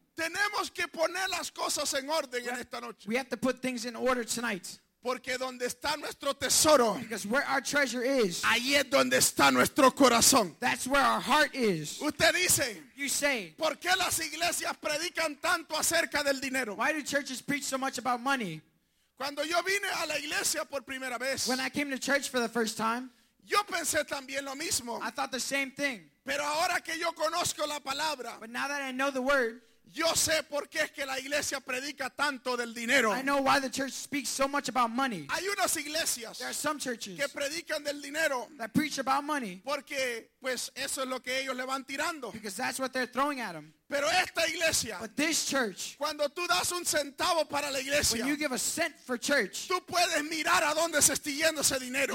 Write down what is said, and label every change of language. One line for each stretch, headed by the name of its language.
Spanish: Tenemos que poner las cosas en orden en esta noche.
English: We have to put things in order tonight.
Spanish: Porque donde está nuestro tesoro.
English: Because where our treasure is.
Spanish: Ahí es donde está nuestro corazón.
English: That's where our heart is.
Spanish: Usted dice.
English: You say.
Spanish: ¿Por qué las iglesias predican tanto acerca del dinero?
English: Why do churches preach so much about money?
Spanish: Cuando yo vine a la iglesia por primera vez.
English: When I came to church for the first time.
Spanish: Yo pensé también lo mismo.
English: I thought the same thing.
Spanish: Pero ahora que yo conozco la palabra.
English: But now that I know the word.
Spanish: Yo sé por qué es que la iglesia predica tanto del dinero.
English: I know why the church speaks so much about money.
Spanish: Hay unas iglesias.
English: There are some churches.
Spanish: Que predican del dinero.
English: That preach about money.
Spanish: Porque pues eso es lo que ellos le van tirando.
English: Because that's what they're throwing at them.
Spanish: Pero esta iglesia.
English: But this church.
Spanish: Cuando tú das un centavo para la iglesia.
English: When you give a cent for church.
Spanish: Tú puedes mirar a dónde se está yendo ese dinero.